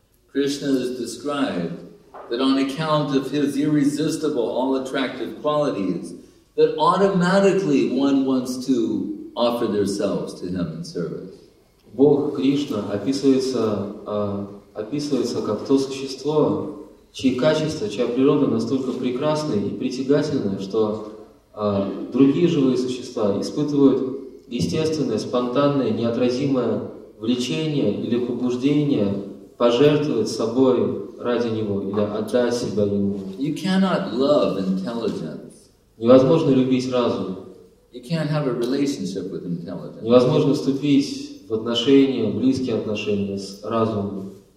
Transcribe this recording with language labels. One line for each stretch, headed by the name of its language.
English: Krishna is described that on account of his irresistible, all-attractive qualities, that automatically one wants to offer themselves to him in service.
Russian: Бог Кришна описывается как то существо, чьи качества, чья природа настолько прекрасны и притягательны, что другие живые существа испытывают естественное, спонтанное, неотразимое влечение или побуждение пожертвовать собой ради него или отдать себя ему.
English: You cannot love intelligence.
Russian: Невозможно любить разум.
English: You can't have a relationship with intelligence.
Russian: Невозможно вступить в отношения, в близкие отношения с разумом.